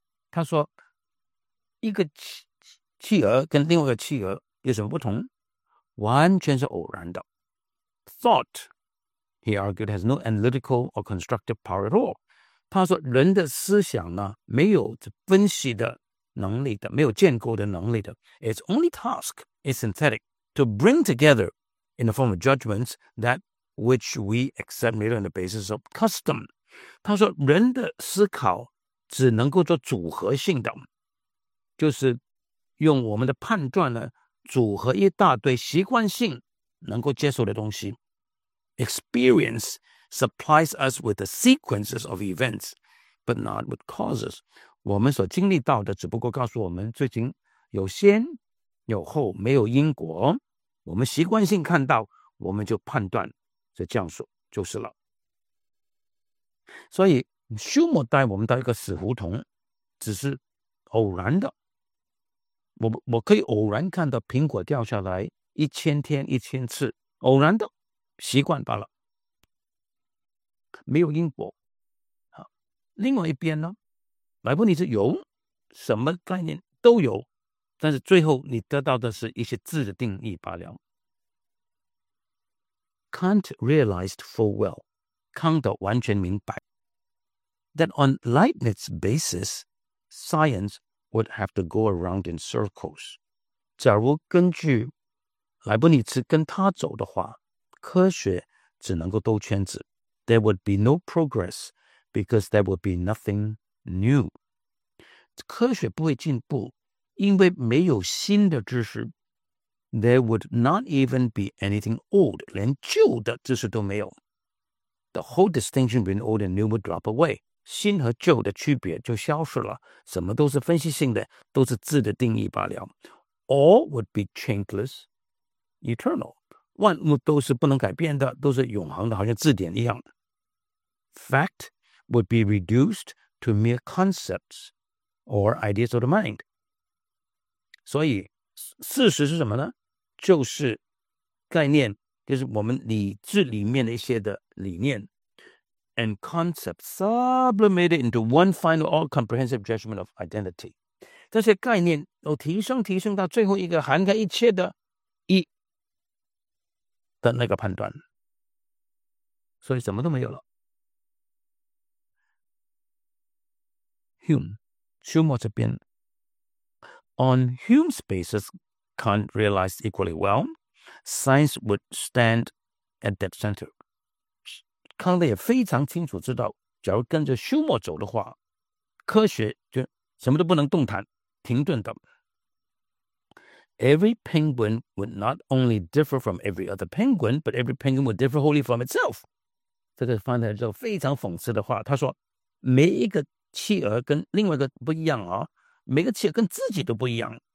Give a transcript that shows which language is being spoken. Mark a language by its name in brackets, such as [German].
[Chinese] 他说一个企鹅跟另外一个企鹅有什么不同，完全是偶然的。 [English] Thought, he argued, has no analytical or constructive power at all。 [Chinese] 他说人的思想呢，没有分析的能力的，没有建构的能力的。 [English] Its only task is synthetic, to bring together in the form of judgments that which we accept merely on the basis of custom。 [Chinese] 他说人的思考只能够做组合性的，就是用我们的判断呢组合一大堆习惯性能够接受的东西。 [English] Experience supplies us with the sequences of events, but not with causes。 [Chinese] 我们所经历到的只不过告诉我们最近有先有后，没有因果，我们习惯性看到我们就判断，这样说就是了。所以休谟带我们到一个死胡同，只是偶然的，我可以偶然看到苹果掉下来一千天一千次，偶然的习惯罢了，没有因果。另外一边呢，莱布尼兹有什么概念都有，但是最后你得到的是一些字的定义罢了。 [English] Kant realized full well， [Chinese] 康德完全明白， [English] that on Leibniz's basis scienceWould have to go around in circles。 [Chinese] 假如根据莱布尼茨跟他走的话，科学只能够兜圈子。 [English] There would be no progress because there would be nothing new。 [Chinese] 科学不会进步，因为没有新的知识。 [English] There would not even be anything old， [Chinese] 连旧的知识都没有。 [English] The whole distinction between old and new would drop away， [Chinese] 新和旧的区别就消失了，什么都是分析性的，都是字的定义罢了。 [English] All would be changeless, eternal， [Chinese] 万物都是不能改变的，都是永恒的，好像字典一样。 [English] Fact would be reduced to mere concepts or ideas of the mind。 [Chinese] 所以事实是什么呢？就是概念，就是我们理智里面的一些的理念。 [English] And concepts sublimated into one final all-comprehensive judgment of identity. [Chinese] 这些概念都提升提升到最后一个涵盖一切的一的那个判断，所以什么都没有了。 [English] Hume， [Chinese] 休谟这边 [English] On Hume's basis Kant realized equally well science would stand at that center。 [Chinese] 康德也非常清楚知道，假如跟着休谟走的话，科学就什么都不能动弹，停顿的。 [English] Every penguin would not only differ from every other penguin, but every penguin would differ wholly from itself. [Chinese] 这个翻译就非常讽刺的话，他说每一个企鹅跟另外一个不一样啊，每个企鹅跟自己都不一样。